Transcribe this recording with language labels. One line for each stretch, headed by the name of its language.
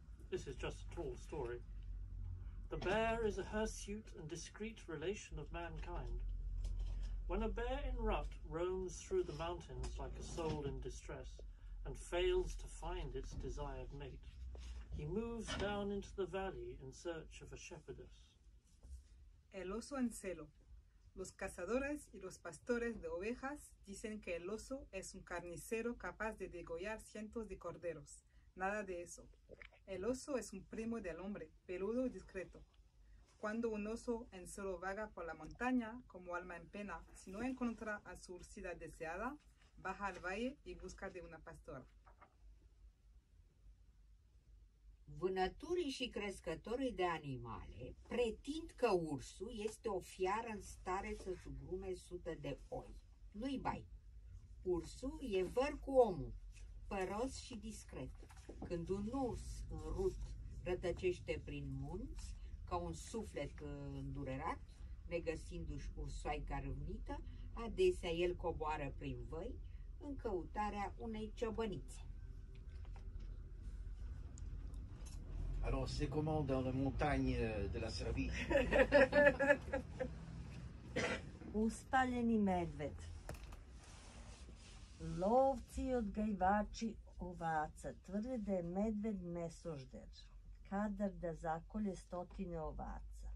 English: This is just a tall story. The bear is a hirsute and discreet relation of mankind. When a bear in rut roams through the mountains like a soul in distress and fails to find its desired mate, he moves down into the valley in search of a shepherdess.
Spanish: El oso en celo. Los cazadores y los pastores de ovejas dicen que el oso es un carnicero capaz de degollar cientos de corderos. Nada de eso. El oso es un primo del hombre, peludo y discreto. Cuando un oso en celo vaga por la montaña, como alma en pena, si no encuentra a su ursida deseada, baja al valle y busca de una pastora.
Romanian: Vânătorii și crescătorii de animale pretind că ursul este o fiară în stare să sugrume sute de oi. Nu-i bai. Ursul e văr cu omul, păros și discret. Când un urs în rut rătăcește prin munți, ca un suflet îndurerat, negăsindu-și ursoaica râvnită, adesea el coboară prin văi în căutarea unei ciobănițe.
French: Alors, c'est comment dans la montagne de la Serbie?
Serbian: uspaljeni medved. Lovci i odgajivači ovaca tvrde da je medved mesožder, kadar da zakolje stotine ovaca.